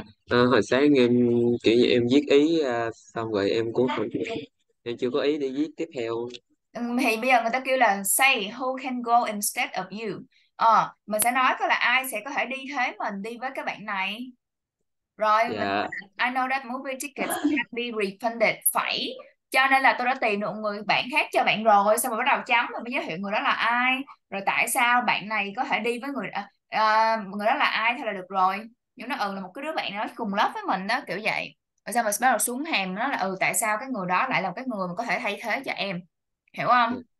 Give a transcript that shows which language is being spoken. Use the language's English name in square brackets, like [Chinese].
[Vietnamese] Hồi sáng em kiểu như em viết ý xong rồi em cũng không, em chưa có ý để viết tiếp theo. Thì bây giờ người ta kêu là [English] say who can go instead of you. [Vietnamese] Mình sẽ nói có là ai sẽ có thể đi thế mình đi với các bạn này. Rồi mình [English] I know that movie tickets can be refunded. [Vietnamese] Phải. Cho nên là tôi đã tìm được người bạn khác cho bạn rồi. Xong rồi bắt đầu chấm mình mới giới thiệu người đó là ai. Rồi tại sao bạn này có thể đi với người người đó là ai thôi là được rồi. Nhưng nó là một cái đứa bạn nó cùng lớp với mình đó kiểu vậy. Rồi xong rồi bắt đầu xuống hàm nó là tại sao cái người đó lại là cái người mà có thể thay thế cho em. Hiểu không?